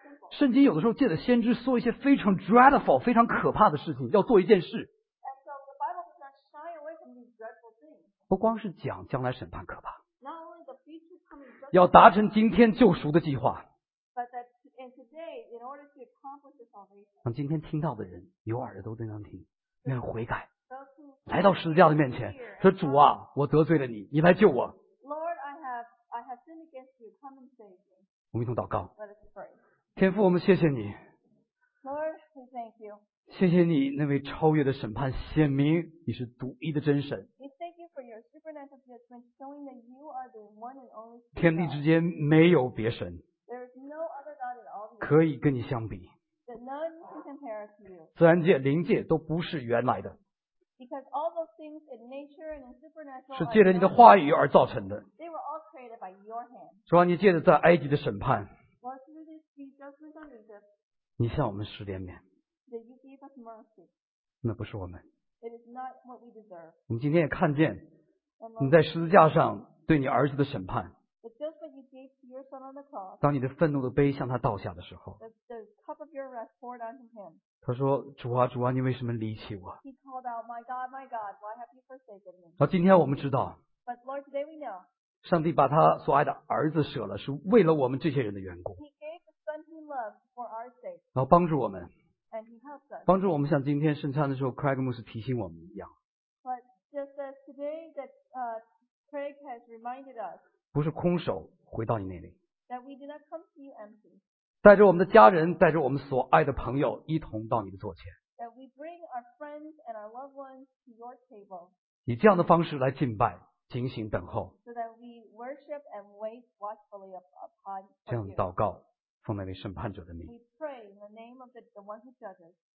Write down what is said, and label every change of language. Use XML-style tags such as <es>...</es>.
<zh>圣经有的时候借着先知说一些非常 dreadful 非常可怕的事情，要做一件事。</zh> <en>And so the Bible does not shy away from these dreadful things.</en> <zh>不光是讲将来审判可怕。</zh> <en>Not only the future coming judgment.</en> <zh>要达成今天救赎的计划。</zh> <en>But that in today, in order to accomplish the salvation.</en> <zh>让今天听到的人有耳朵都能听，愿悔改。</zh> <en>Those who</en> <zh>来到十字架的面前，说主啊，我得罪了你，你来救我。</zh> <en>Lord, I have sinned against you. Come and save me.</en> <zh>我们一同祷告。</zh> <en>Let us pray.</en> <zh>天父，我们谢谢你。</zh> <en>Lord, we thank you.</en> <zh>谢谢你那位超越的审判，显明你是独一的真神。</zh> <en>We thank you for your supernatural judgment, showing that you are the one and only God.</en> <zh>天地之间没有别神。</zh> <en>There is no other God at all.</en> <zh>可以跟你相比。</zh> <en>That none can compare to you.</en> <zh>自然界、灵界都不是原来的。</zh> <en>Because all those things in nature and in supernatural</en> <zh>是借着你的话语而造成的。</zh> <en>They were all created by your hand.</en> <zh>主啊，你借着在埃及的审判，</zh> <en>Lord, through this judgment on Egypt,</en> <zh>你向我们施怜悯。</zh> <en>That you gave us mercy.</en> <zh>那不是我们。</zh> <en>It is not what we deserve.</en> <zh>我们今天也看见你在十字架上对你儿子的审判。</zh> <en>But just what you gave to your son on the cross,</en> <zh>当你的愤怒的杯向他倒下的时候，</zh> <en>the cup of your wrath poured onto him.</en> <zh>他说主啊主啊你为什么离弃我。</zh> <en>He called out, my God, my God, why have you forsaken me?</en> <zh>好，今天我们知道，</zh> <en>But Lord, today we know,</en> <zh>上帝把他所爱的儿子舍了是为了我们这些人的缘故。</zh> <en>He gave the son he loved for our sake.</en> <zh>然后帮助我们，</zh> <en>And he helps us.</en> <zh>帮助我们像今天圣餐的时候 Craig 牧师提醒我们一样。</zh> <en>But just as today that Craig has reminded us,</en> <zh>不是空手回到你那里，</zh> <en>that we did not come to you empty.</en> <zh>带着我们的家人，带着我们所爱的朋友一同到你的座前，</zh> <en>that we bring our friends and our loved ones to your table.</en> <zh>以这样的方式来敬拜，警醒等候，</zh> <en>so that we worship and wait watchfully upon you.</en> <zh>这样祷告，奉那位审判者的名，</zh> <en>we pray in the name of the one who judges.</en>